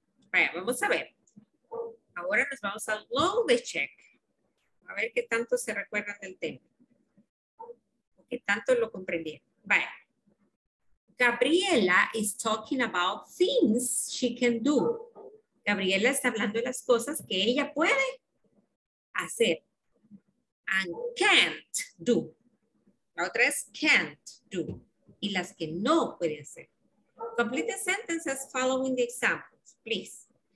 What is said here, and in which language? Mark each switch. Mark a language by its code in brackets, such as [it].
[es] Vaya, vamos a ver. Ahora nos vamos al long de check. A ver qué tanto se recuerdan del tema. O qué tanto lo comprendieron. Vaya. [en] Gabriela is talking about things she can do. [es] Gabriela está hablando de las cosas que ella puede hacer. [en] And can't do. [es] La otra es [en] can't do. [es] Y las que no puede hacer. [en] Complete the sentences following the examples, please.